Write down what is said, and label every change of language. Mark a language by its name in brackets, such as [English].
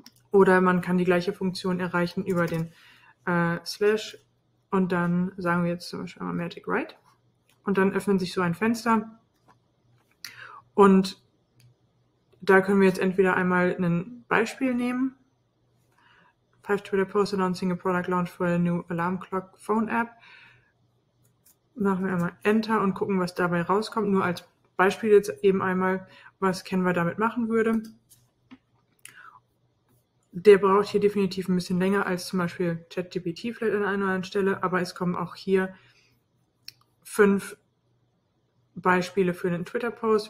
[German] Oder man kann die gleiche Funktion erreichen über den Slash. Und dann sagen wir jetzt zum Beispiel einmal Magic Write. Und dann öffnet sich so ein Fenster. Und da können wir jetzt entweder einmal ein Beispiel nehmen. [English] 5 Twitter Posts announcing a product launch for a new alarm clock phone app. [German] Machen wir einmal Enter und gucken, was dabei rauskommt. Nur als Beispiel jetzt eben einmal, was Canva damit machen würde. Der braucht hier definitiv ein bisschen länger als zum Beispiel ChatGPT vielleicht an einer anderen Stelle. Aber es kommen auch hier 5 Beispiele für einen Twitter-Post.